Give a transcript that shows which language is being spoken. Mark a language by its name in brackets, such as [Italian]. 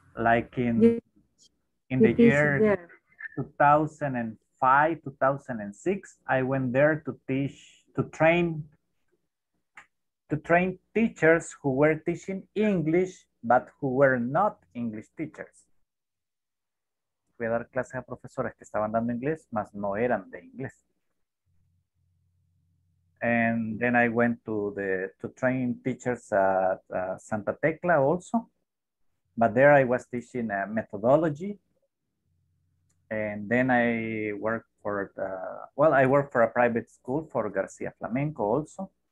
[English] Like in the year 2005, 2006, I went there to teach, to train teachers who were teaching English, but who were not English teachers. [Spanish] Fui a dar clases a profesores que estaban dando inglés, mas no eran de inglés. [English] And then I went to train teachers at Santa Tecla also, but there I was teaching methodology. And then I worked for, I worked for a private school for Garcia Flamenco also.